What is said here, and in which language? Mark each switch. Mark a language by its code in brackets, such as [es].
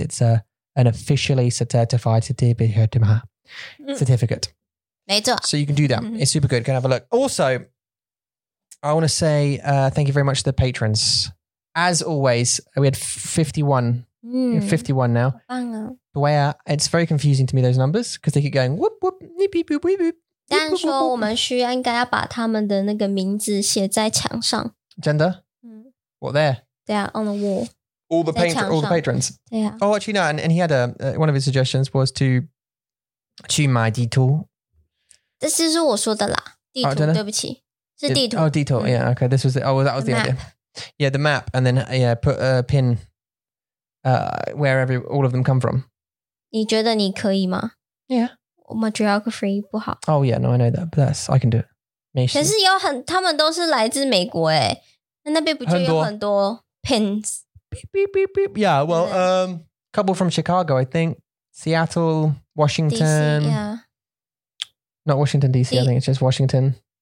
[en] It's an officially certified certificate. So you can do that. It's super good. Go and have a look. Also, I want to say thank you very much to the patrons. As always, we had 51. Mm. 51 now. Where it's very confusing to me, those numbers, because they keep going whoop whoop beep beep beep beep beep. [zh] 但说我们需要应该要把他们的那个名字写在墙上。真的？ [en] What, there? Yeah, on the wall. All the painter, all the patrons. Yeah. Oh, actually, no. And he had one of his suggestions was to [zh] 去买地图。这就是我说的啦。地图，对不起，是地图。 [en] Oh, 地图。Yeah. Okay. This was it. Oh, that was the idea. Yeah, the map, and then yeah, put a pin. Where all of them come from. [zh] 你觉得你可以吗? [en] Yeah. My geography [zh] 不好。 [en] Oh yeah, no, I know that, but that's, I can do it. [zh] 沒事。可是有很,他們都是來自美國耶。那那邊不就有很多 pins? [en] Beep, beep, beep, beep. Yeah, well, a couple from Chicago, I think. Seattle, Washington. DC, yeah. Not Washington, DC, I think it's just Washington.